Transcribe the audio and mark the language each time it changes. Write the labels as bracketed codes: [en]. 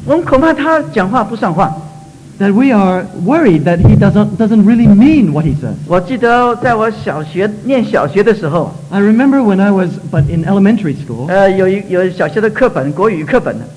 [zh] 我们恐怕他讲话不算话。 [en] That we are worried that he doesn't really mean what he says. [zh] 我记得在我小学念小学的时候。 [en] I remember when I was but in elementary school. [zh] 有小学的课本，国语课本。